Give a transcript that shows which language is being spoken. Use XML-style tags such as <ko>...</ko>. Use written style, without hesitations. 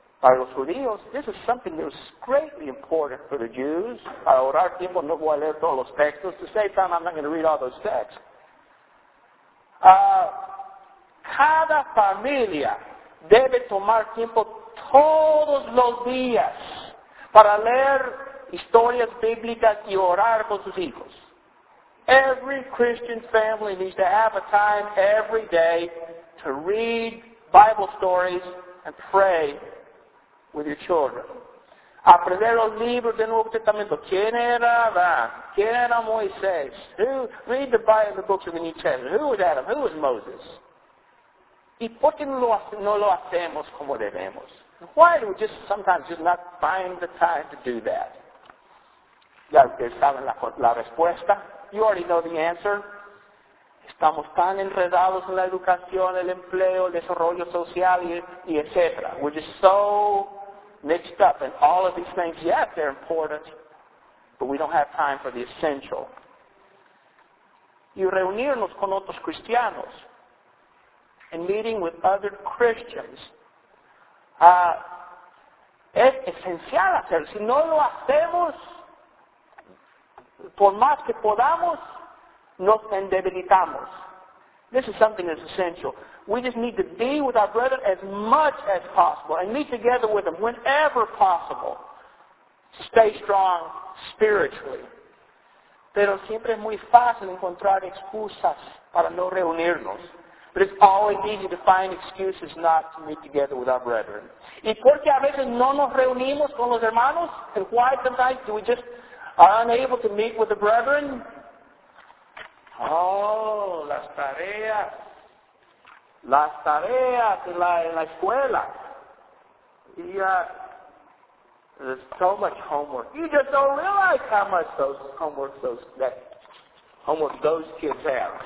<es>Para los judíos,</es> <en>this is something that was greatly important for the Jews.</en> <es>Para orar tiempo, no voy a leer todos los textos.</es> <en>To save time, I'm not going to read all those texts.</en> <es>Cada familia debe tomar tiempo todos los días para leer historias bíblicas y orar con sus hijos.</es> <en>Every Christian family needs to have a time every day to read Bible stories and pray with your children.</en> <es>Aprender los libros del Nuevo Testamento. ¿Quién era Adán? ¿Quién era Moisés?</es> <en>Who? Read the Bible, the books of the New Testament. Who was Adam? Who was Moses?</en> <es>¿Y por qué no lo hacemos como debemos?</es> <en>Why do we just sometimes just not find the time to do that?</en> <es>Ya ustedes saben la respuesta.</es> <en>You already know the answer.</en> <es>Estamos tan enredados en la educación, el empleo, el desarrollo social, y etc.</es> <en>We're just so mixed up in all of these things. Yes, they're important, but we don't have time for the essential.</en> <es>Y reunirnos con otros cristianos</es> <en>and meeting with other Christians.</en> <es>Es esencial hacerlo. Si no lo hacemos, por más que podamos, nos endebilitamos.</es> <en>This is something that's essential. We just need to be with our brother as much as possible and meet together with him whenever possible. Stay strong spiritually.</en> <es>Pero siempre es muy fácil encontrar excusas para no reunirnos.</es> <en>But it's always easy to find excuses not to meet together with our brethren.</en> <es>¿Y por qué a veces no nos reunimos con los hermanos?</es> <en>And why sometimes do we just are unable to meet with the brethren?</en> <es>Oh, las tareas en la escuela.</es> <en>There's so much homework. You just don't realize how much those kids have.</en>